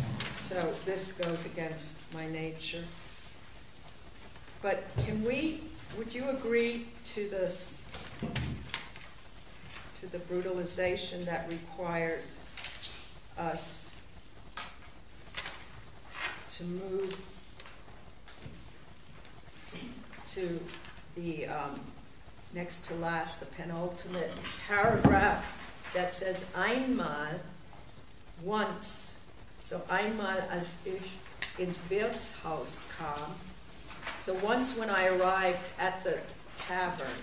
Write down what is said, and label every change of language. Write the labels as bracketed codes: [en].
[en] So this goes against my nature. But would you agree to this, to the brutalization that requires us to move to the next to last, the penultimate paragraph that says einmal, once. [de] So einmal als ich ins Wirtshaus kam. [en] So once when I arrived at the tavern.